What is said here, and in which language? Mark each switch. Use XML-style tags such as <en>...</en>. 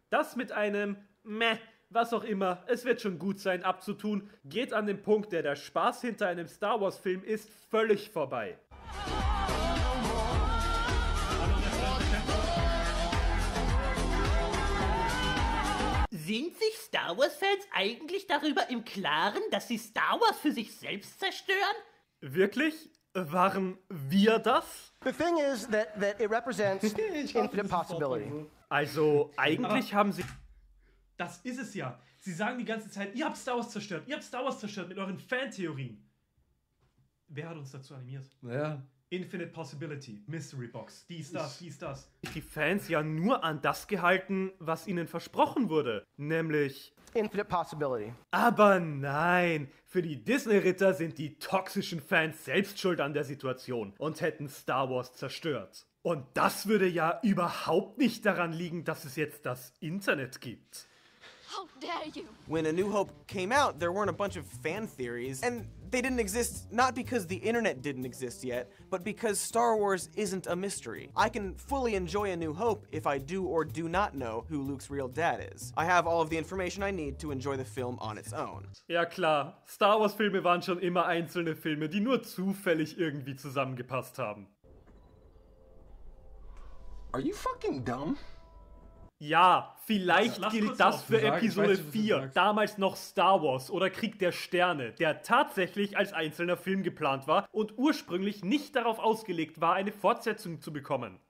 <de>Das mit einem Meh, was auch immer, es wird schon gut sein abzutun, geht an den Punkt, der der Spaß hinter einem Star Wars Film ist, völlig vorbei. Sind sich Star Wars-Fans eigentlich darüber im Klaren, dass sie Star Wars für sich selbst zerstören? Wirklich? Waren wir das?</de> <en>The thing is that it represents infinite possibility.</en> <de>Also, eigentlich haben sie... Das ist es ja. Sie sagen die ganze Zeit, ihr habt Star Wars zerstört, ihr habt Star Wars zerstört mit euren Fantheorien. Wer hat uns dazu animiert? Ja.</de> <en>Infinite Possibility, Mystery Box,</en> <de>dies, das. Die Fans ja nur an das gehalten, was ihnen versprochen wurde, nämlich...</de> <en>Infinite Possibility.</en> <de>Aber nein, für die Disney-Ritter sind die toxischen Fans selbst schuld an der Situation und hätten Star Wars zerstört. Und das würde ja überhaupt nicht daran liegen, dass es jetzt das Internet gibt.</de> <en>How dare you? When A New Hope came out, there weren't a bunch of fan theories, and they didn't exist not because the internet didn't exist yet, but because Star Wars isn't a mystery. I can fully enjoy A New Hope if I do or do not know who Luke's real dad is. I have all of the information I need to enjoy the film on its own.</en> <de>Ja klar, Star Wars Filme waren schon immer einzelne Filme, die nur zufällig irgendwie zusammengepasst haben.</de> <en>Are you fucking dumb?</en> <de>Ja, vielleicht gilt das für Episode 4, damals noch Star Wars oder Krieg der Sterne, der tatsächlich als einzelner Film geplant war und ursprünglich nicht darauf ausgelegt war, eine Fortsetzung zu bekommen.</de>